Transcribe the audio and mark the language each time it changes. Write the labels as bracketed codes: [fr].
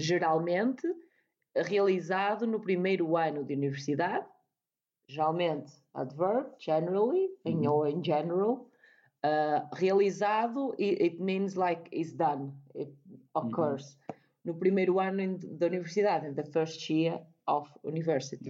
[pt] Geralmente realizado no primeiro ano de universidade. [en] Geralmente, adverb, generally, or in general, realizado, it means like is done, it occurs. [pt] No primeiro ano da universidade, [en] in the first year of university.